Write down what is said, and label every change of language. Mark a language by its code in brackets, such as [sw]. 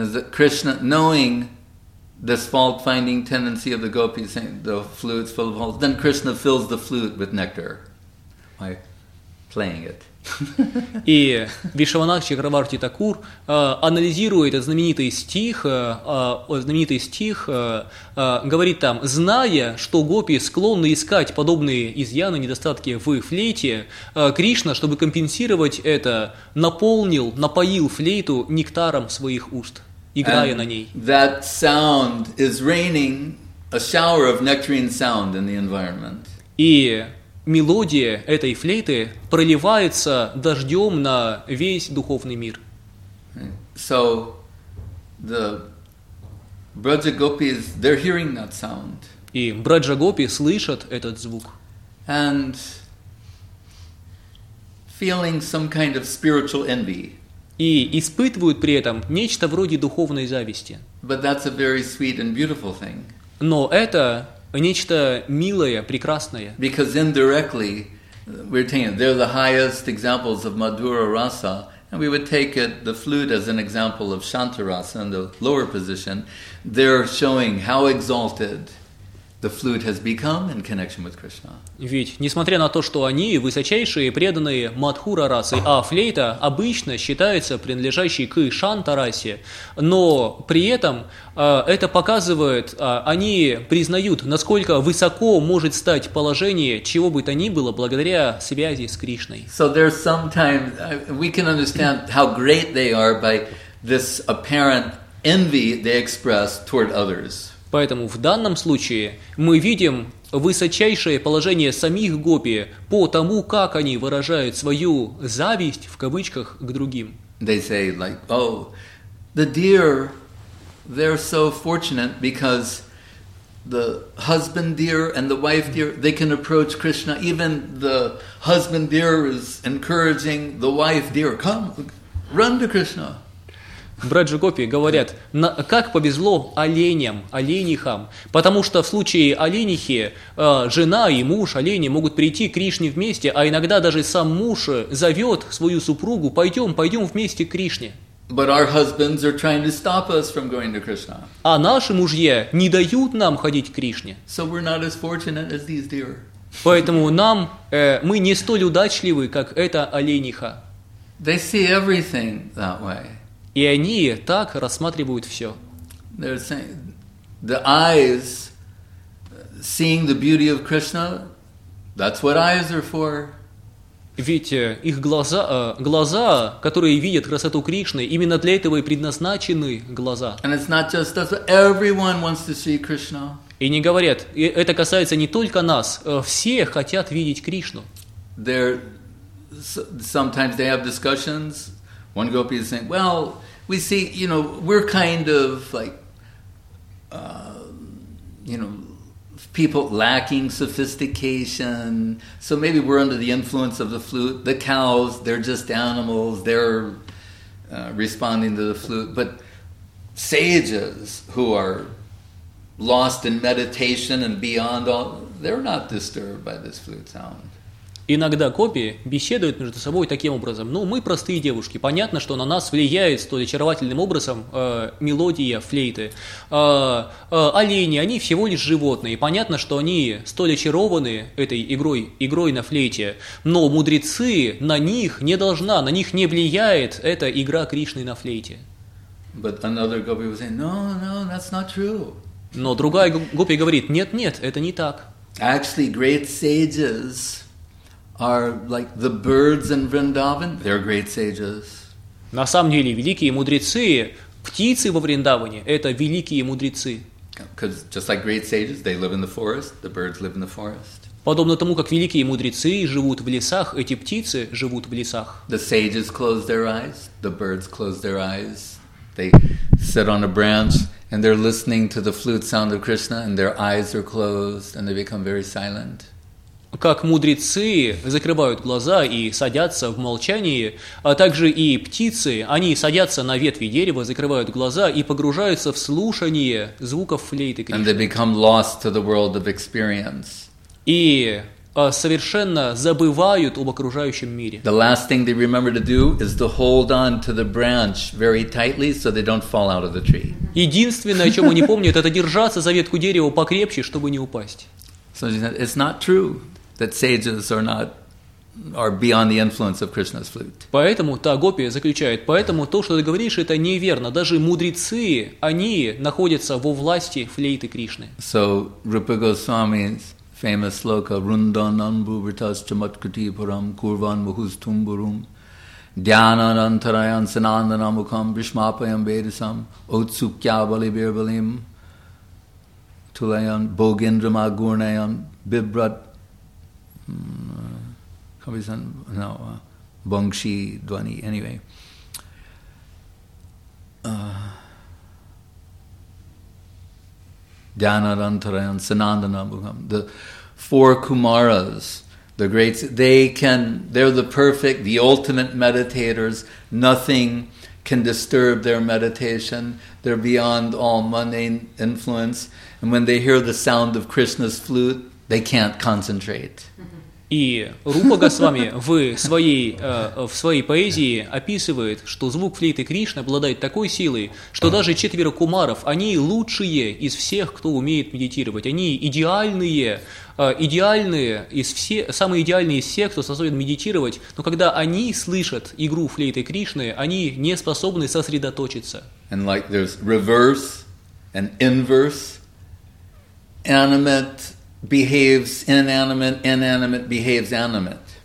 [en] Krishna, knowing this fault-finding tendency of the gopis, saying the flute's full of holes, then Krishna fills the flute with nectar by playing it. [ru] И Вишванатх Чакраварти Такур анализирует этот знаменитый стих, говорит там: «Зная, что гопи склонны искать подобные изъяны, недостатки в флейте, Кришна, чтобы компенсировать это, наполнил, напоил флейту нектаром своих уст, играя на ней». [en] That sound is raining a shower of nectarine sound in the environment. [ru] И мелодия этой флейты проливается дождем на весь духовный мир. [en] So the Braja Gopis, they're hearing that sound. [ru] И Браджа Гопи слышат этот звук. [en] And feeling some kind of spiritual envy. [ru] И испытывают при этом нечто вроде духовной зависти. [en] But that's a very sweet and beautiful thing. [ru] Но это нечто милое, прекрасное. [en] Because indirectly, we're taking it. They're the highest examples of Madhura Rasa, and we would take it, the flute as an example of Shantarasa in the lower position. They're showing how exalted the flute has become in connection with Krishna. [ru] Ведь, несмотря на то, что они высочайшие преданные Мадхура расы, а флейта обычно считается принадлежащей к Шантарасе, но при этом это показывает, они признают, насколько высоко может стать положение чего бы то ни было благодаря связи с Кришной. [en] So there's sometimes, we can understand how great they are by this apparent envy they express toward others. [ru] Поэтому в данном случае мы видим высочайшее положение самих гопи по тому, как они выражают свою зависть в кавычках к другим. [en] They say like, oh, the deer, they're so fortunate because the husband deer and the wife deer, they can approach Krishna. Even the husband deer is encouraging the wife deer, come, run to Krishna. [ru] Браджа Гопи говорят, как повезло оленям, оленихам, потому что в случае оленихи жена и муж олени могут прийти к Кришне вместе, а иногда даже сам муж зовет свою супругу, пойдем, пойдем вместе к Кришне. [en] But our husbands are trying to stop us from going to Krishna. [ru] А наши мужья не дают нам ходить к Кришне. [en] So we're not as fortunate as these deer. [ru] Поэтому нам, мы не столь удачливы, как эта олениха. [en] They see everything that way. [ru] И они так рассматривают все. [en] They're saying, the eyes, seeing the beauty of Krishna, that's what eyes are for. [ru] Ведь их глаза, которые видят красоту Кришны, именно для этого и предназначены глаза. [en] And it's not just us, everyone wants to see Krishna. [ru] И не говорят, и это касается не только нас, все хотят видеть Кришну. [en] They're, sometimes they have discussions. One gopi is saying, well, we see, you know, we're kind of like, you know, people lacking sophistication. So maybe we're under the influence of the flute. The cows, they're just animals. They're responding to the flute. But sages who are lost in meditation and beyond all, they're not disturbed by this flute sound. [ru] Иногда гопи беседуют между собой таким образом. Ну, мы простые девушки. Понятно, что на нас влияет столь очаровательным образом мелодия флейты. Олени, они всего лишь животные. Понятно, что они столь очарованы этой игрой на флейте. Но мудрецы на них не должна, на них не влияет эта игра Кришны на флейте. [en] But another gopi would say, no, no, that's not true. [ru] Но другая гопи говорит, нет, это не так. [en] Actually, great sages are like the birds in Vrindavan. They're great sages. [ru] На самом деле, великие мудрецы, птицы во Вриндаване, это великие мудрецы. [en] Because just like great sages, they live in the forest. The birds live in the forest. [ru] Подобно тому, как великие мудрецы живут в лесах, эти птицы живут в лесах. [en] The sages close their eyes. The birds close their eyes. They sit on a branch and they're listening to the flute sound of Krishna, and their eyes are closed and they become very silent. [ru] Как мудрецы закрывают глаза и садятся в молчании, а также и птицы, они садятся на ветви дерева, закрывают глаза и погружаются в слушание звуков флейты Кришны. [en] And they become lost to the world of experience. [ru] И совершенно забывают об окружающем мире. [en] The last thing they remember to do is to hold on to the branch very tightly so they don't fall out of the tree. [ru] Единственное, о чем они помнят, это держаться за ветку дерева покрепче, чтобы не упасть. [en] So it's not true that sages are not are beyond the influence of Krishna's flute. [ru] Поэтому та гопи заключает, поэтому то, что ты говоришь, это неверно. Даже мудрецы, они находятся во власти флейты Кришны. [en] So Rupa Goswami's famous sloka [sa] Rundanam Bhuvritas Chamatkriti Param Kurvan Muhus Tumburum Dhyanan Antarayan Sanandanamukam Vishmapayam Vedasam Otsukya Bali Birbalim Tulayan Bogindrama Gurnayan Bibrat Bangshi Dwani, [en] anyway. [sa] Dhyanarantarayan Sanandanamukam. [en] The four Kumaras, the greats, they're the perfect, the ultimate meditators. Nothing can disturb their meditation. They're beyond all mundane influence. And when they hear the sound of Krishna's flute, they can't concentrate. [ru] И Рупа Госвами в своей поэзии описывает, что звук флейты Кришны обладает такой силой, что даже четверо кумаров, они лучшие из всех, кто умеет медитировать. Они самые идеальные из всех, кто способен медитировать. Но когда они слышат игру флейты Кришны, они не способны сосредоточиться. [en] And like there's reverse and inverse animate behaves inanimate behaves animate.